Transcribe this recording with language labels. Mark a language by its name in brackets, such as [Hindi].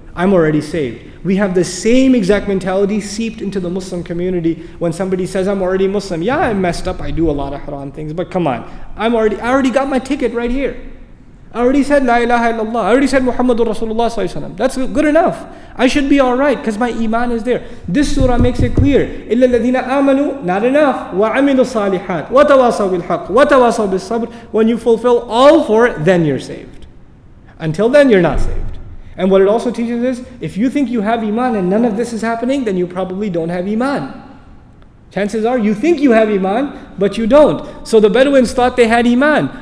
[English] I'm already saved. We have the same exact mentality seeped into the Muslim community when somebody says, I'm already Muslim. Yeah, I'm messed up. I do a lot of haram things. But come on. I already got my ticket right here. I already said La ilaha illallah. I already said Muhammadur Rasulullah sallallahu alaihi wasallam. That's good enough. I should be alright because my iman is there. This surah makes it clear. [Arabic] إِلَّا الَّذِينَ آمَنُوا, [English] not enough. [Arabic] وَعَمِلُوا الصَّالِحَاتِ وَتَوَاصَوْا بِالْحَقِّ وَتَوَاصَوْا بِالصَّبْرِ. [English] When you fulfill all four, then you're saved. Until then, you're not saved. And what it also teaches is, if you think you have iman and none of this is happening, then you probably don't have iman. Chances are, you think you have iman, but you don't. So the Bedouins thought they had iman.